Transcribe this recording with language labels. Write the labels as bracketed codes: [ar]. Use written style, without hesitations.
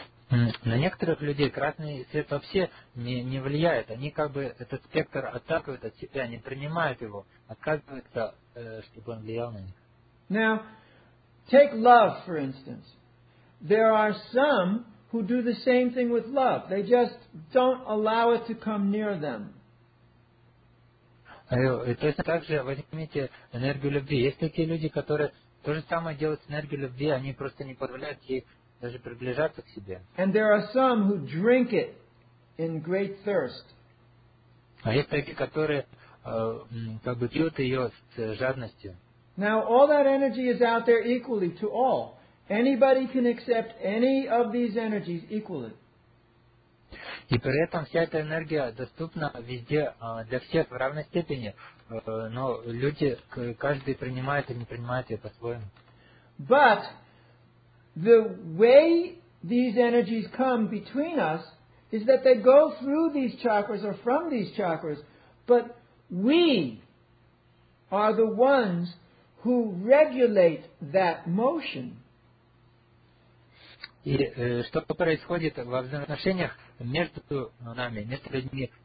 [ru] На некоторых людей красный цвет вообще не влияет. Они как бы этот спектр отталкивают от себя, не принимают его, отказываются, чтобы он влиял на них. [en] Now, take love, for instance. There are some who do the same thing with love. They just don't allow it to come near them. [ru] Точно так же возьмите энергию любви. Есть такие люди, которые то же самое делают с энергией любви, они просто не позволяют ей даже приближаться к себе. [en] And there are some who drink it in great thirst. [ru] А есть такие, которые как бы пьют ее с жадностью. [en] Now all that energy is out there equally to all. Anybody can accept any of these energies equally. [ru] И при этом вся эта энергия доступна везде для всех в равной степени, но люди каждый принимает или не принимает ее по-своему. [en] But the way these energies come between us is that they go through these chakras or from these chakras, but we are the ones who regulate that motion. [ru] И что происходит во взаимоотношениях между нами, между людьми?